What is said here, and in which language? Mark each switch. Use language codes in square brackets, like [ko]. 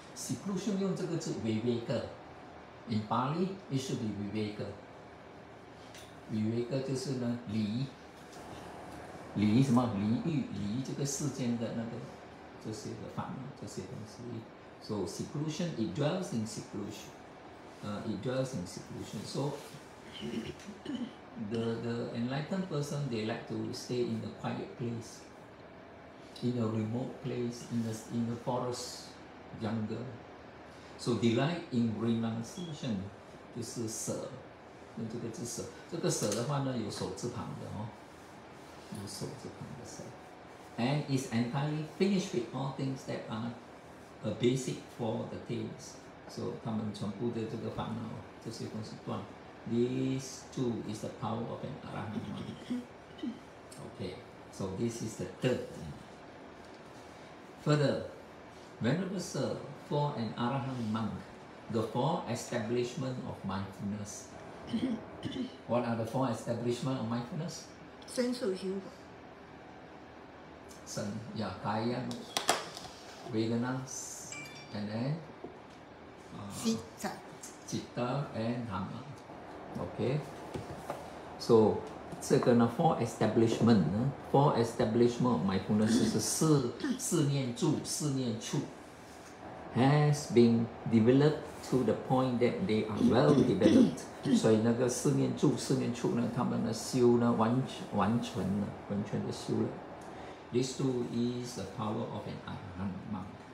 [en] Seclusion [zh] 用这个字 [en] viveka. In Pali, it should be viveka. [zh] Viveka 就是呢离什么离欲离这个世间的那个这些的烦恼这些东西。 [en] So seclusion, it dwells in seclusion. So the enlightened person, they like to stay in a quiet place, in a remote place, in the forest, jungle. So delight in renunciation, [zh] 就是舍，用这个字舍。这个舍的话呢，有手字旁的哦，有手字旁的舍。 [en] And is entirely finished with all things that are a basic for the things. [zh] So 他们全部的这个烦恼，这些东西断。 [en] These two is the power of an arahant. Okay, so this is the third thing. Further, Venerable Sir, for an arahant monk, the four establishment of mindfulness. What are the four establishment of mindfulness? Sense of humor. Sen, yeah, kaya, vedana, and then? Citta. Citta and dhamma. Okay. So, [zh] 这个呢, [en] four establishment of mindfulness [zh] 就是四念住、四念处 [en] has been developed to the point that they are well developed. [zh] 所以那个四念住、四念处呢, 他们呢修呢完全的修了。 [en] These two is the power of an arahant monk.